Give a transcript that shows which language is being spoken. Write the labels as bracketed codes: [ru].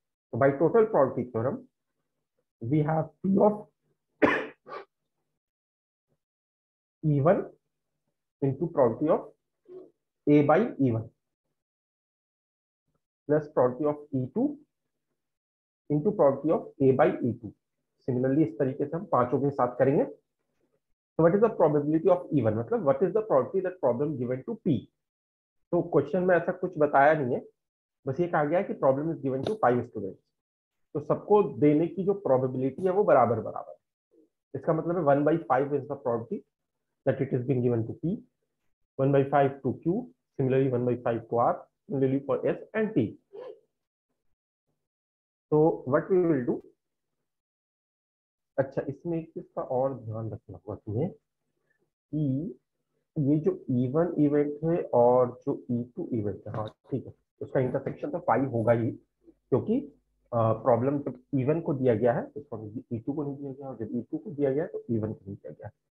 [en] So by total probability theorem, we have P of E1 into probability of A by E1 plus probability of E2 into probability of A by E2. [hi] Similarly, इस तरीके से हम पांचों के साथ करेंगे. [en] So what is the probability of E1? मतलब what is the probability that problem given to P? [hi] तो क्वेश्चन में ऐसा कुछ बताया नहीं है, बस ये कहा गया है कि [en] problem is given to five students. [hi] तो सबको देने की जो probability है वो बराबर बराबर है. इसका मतलब है [en] 1 by 5 is the probability that it is being given to P, 1 by 5 to Q, similarly 1 by 5 to R, similarly for S and T. So what we will do? [hi] अच्छा, इसमें एक चीज का और ध्यान रखना होगा तुम्हें कि ये जो E1 event है और जो E2 event है, हाँ ठीक है, उसका intersection तो 5 होगा ही, क्योंकि प्रॉब्लम जब इवन को दिया गया है तो ई टू को नहीं दिया गया, और जब ई टू को दिया गया है तो इवन को नहीं दिया गया.